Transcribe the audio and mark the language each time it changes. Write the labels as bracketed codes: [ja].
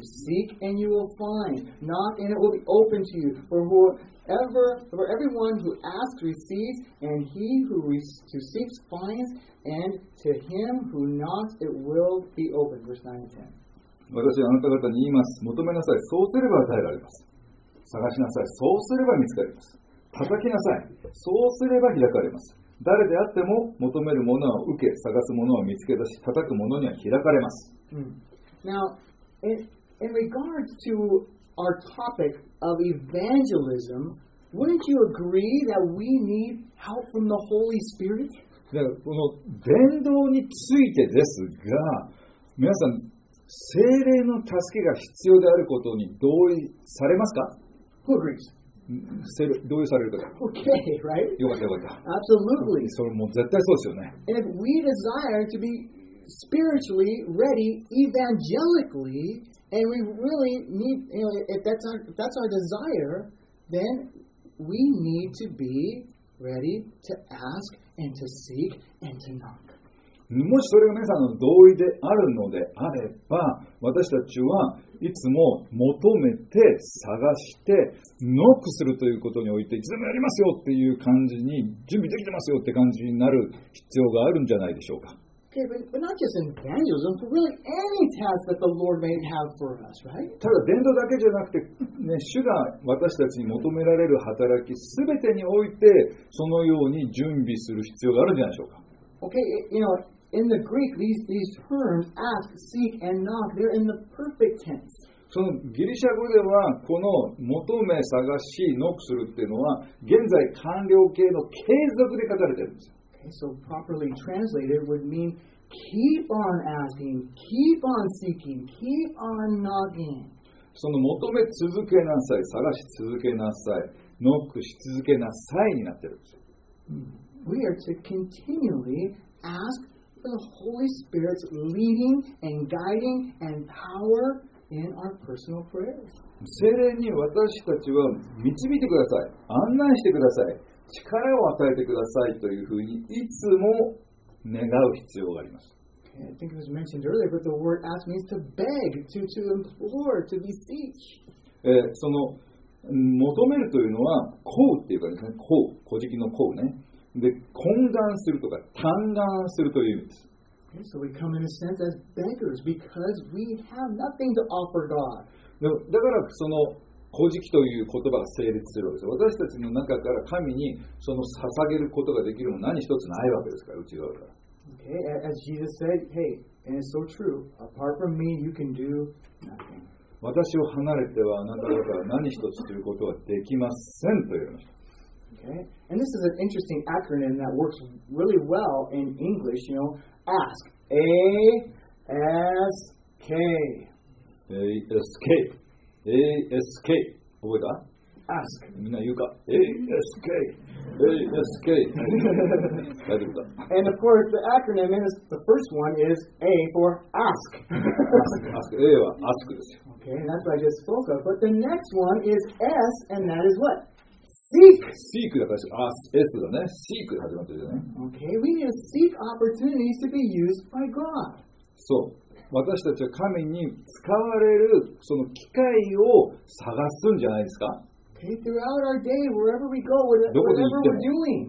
[en] Seek and you will find. Knock and it will be opened to you. For everyone who asks receives, and he who seeks finds, and to him who knocks it will be opened. Verse 9 and 10. [ja] 私はあなた方に言います。求めなさい。そうすれば与えられます。探しなさい。そうすれば見つかります。叩きなさい。そうすれば開かれます。誰であっても求めるものは受け、探すものは見つけ出し、叩くものには開かれます。 [en] Now, in regards to our topic of evangelism, wouldn't you agree that we need help from the Holy Spirit? [ja] この伝道についてですが、皆さん、聖霊の助けが必要であることに同意されますか [en] Who agrees? [ja] 同意されるか [en] Okay, right? [ja] よかったよかった [en] Absolutely [ja] それもう絶対そうですよね [en] If we desire to be spiritually ready evangelically and we really need you know, if that's our desire then we need to be ready to ask and to seek and to knock [ja] もしそれが皆さんの同意であるのであれば、私たちはいつも求めて探してノックするということにおいて、いつでもやりますよっていう感じに、準備できてますよって感じになる必要があるんじゃないでしょうか。 [en] Okay, but not just in evangelism, but really any task that the Lord may have for us, right? [ja] ただ伝道だけじゃなくて、ね、主が私たちに求められる働き、すべてにおいてそのように準備する必要があるんじゃないでしょうか。 [en] Okay, you know, in the Greek, these terms, ask, seek, and knock, they're in the perfect tense. [ja] そのギリシャ語ではこの求め、探し、ノックするっていうのは現在完了形の継続で書かれてるんです。 [en] So properly translated would mean keep on asking, keep on seeking, keep on knocking. [ja] その求め続けなさい、探し続けなさい、ノックし続けなさいになってるんです。 [en] We are to continually ask for the Holy Spirit's leading and guiding and power in our personal prayers. [ja] 聖霊に私たちは導いてください、案内してください。力を与えてくださいというふうにいつも願う必要があります。 [en] I think it was mentioned earlier, but the word ask means to beg, to implore, to beseech. [ja] その求めるというのは、こうっていうかですね、こう、こじきのこうね。で、懇願するとか、嘆願するという意味です。 [en] Okay, so we come in a sense as beggars because we have nothing to offer God. [ja] だからその乞食という言葉が成立するわけです。私たちの中から神にその捧げることができるも何一つないわけですから、内側から。 [en] Okay, as Jesus said, hey, and it's so true. Apart from me, you can do nothing. [ja] 私を離れてはあなた方は何一つすることはできませんと言いました。 [en] Okay, and this is an interesting acronym that works really well in English. You know, ask. A S K. A S K. ASK [ja] 覚えた [en] ?Ask [ja] みんな言うか ASK ASK 大丈夫だ [en] And of course the acronym is the first one is A for ask [ja] A は ask ですよ [en] Okay and that's what I just spoke of But the next one is S and that is what? Seek [ja] Seek だから S だね Seek 始まってるよね [en] Okay we need to seek opportunities to be used by God [ja] そう私たちは神に使われるその機会を探すんじゃないですか。 [en] Okay, throughout our day, wherever we go, whatever we're doing.